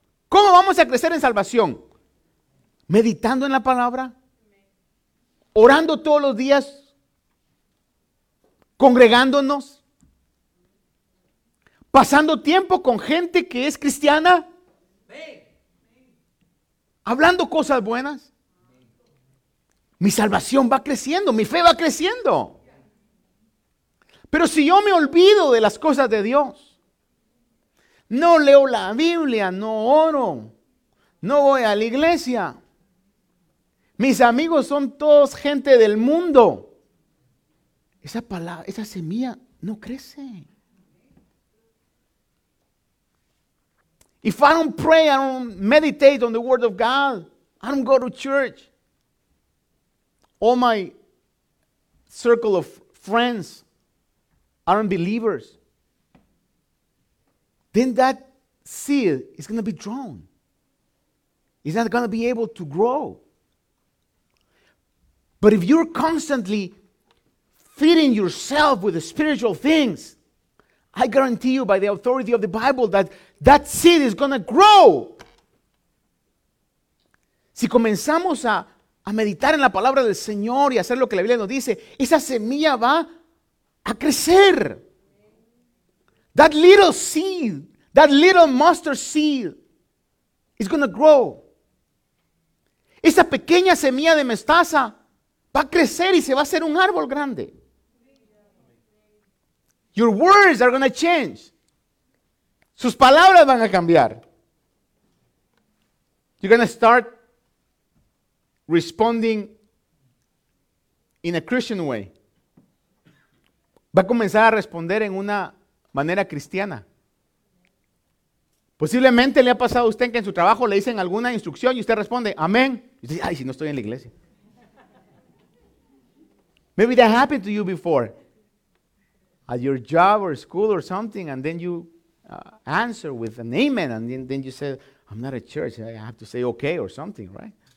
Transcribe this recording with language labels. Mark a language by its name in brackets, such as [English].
[Spanish] ¿Cómo vamos a crecer en salvación? Meditando en la palabra, orando todos los días, congregándonos, pasando tiempo con gente que es cristiana, hablando cosas buenas. Mi salvación va creciendo, mi fe va creciendo. Pero si yo me olvido de las cosas de Dios, no leo la Biblia, no oro, no voy a la iglesia, mis amigos son todos gente del mundo, esa palabra, esa semilla no crece. [English] If I don't pray, I don't meditate on the word of God, I don't go to church, all my circle of friends aren't believers, then that seed is going to be drawn. It's not going to be able to grow. But if you're constantly feeding yourself with the spiritual things, I guarantee you by the authority of the Bible that that seed is going to grow. [Spanish] Si comenzamos a meditar en la palabra del Señor y hacer lo que la Biblia nos dice, esa semilla va a crecer. [English] That little seed, that little mustard seed is going to grow. [Spanish] Esa pequeña semilla de mostaza va a crecer y se va a hacer un árbol grande. [English] Your words are going to change. [Spanish] Sus palabras van a cambiar. [English] You're going to start responding in a Christian way. [Spanish] Va a comenzar a responder en una manera cristiana. Posiblemente le ha pasado a usted que en su trabajo le dicen alguna instrucción y usted responde, amén. Y usted dice, ay, si no estoy en la iglesia. [English] Maybe that happened to you before. At your job or school or something, and then you answer with an amen, and then you said, I'm not a church, I have to say okay or something, right?